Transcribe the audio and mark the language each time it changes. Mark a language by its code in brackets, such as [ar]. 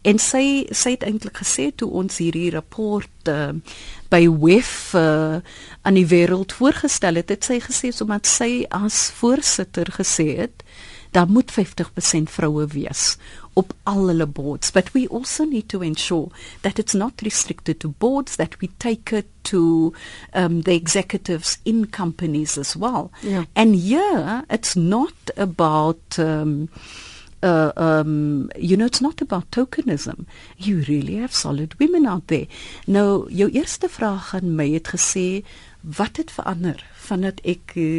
[af] En sy het eintlik gesê toe ons hierdie rapport by WEF aan die wêreld voorgestel het, het sy gesê omdat sy as voorsitter gesê het, daar moet 50% vroue wees op al hulle boards. [en] But we also need to ensure that it's not restricted to boards, that we take it to the executives in companies as well. Yeah. And here, it's not about, it's not about tokenism. You really have solid women out there. [af] Nou, jou eerste vraag aan my het gesê, wat het verander vanat ek...